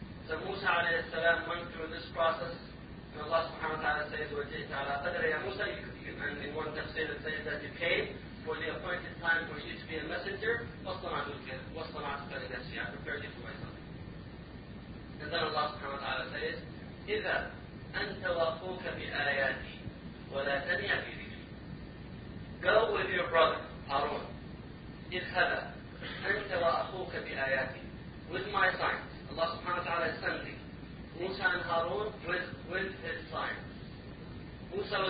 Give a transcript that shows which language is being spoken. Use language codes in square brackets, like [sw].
[en] So Musa alayhi salam went through this process. And Allah subhanahu wa ta'ala says, [ar] وَجِئْتَ عَلَىٰ قَدْرِ يَا مُوسَىٰ [en] And in one tafsir it says that you came for the appointed time for you to be a messenger. [ar] وَاصْطَنَعْتُكَ لِنَفْسِي [en] I prepared you for myself. And then Allah subhanahu wa ta'ala says, [ar] إِذَا أَنْتَ وَأَخُوكَ بِآيَاتِي وَلَا تَنِيَ فِي ذِكْرِي [en] Go with your brother, Harun. [ar] إِذْهَبَا أَنْتَ وَأَخُوكَ بِآيَاتِي [en] With my signs. Allah subhanahu wa ta'ala is sending Musa and Harun with his signs. Musa was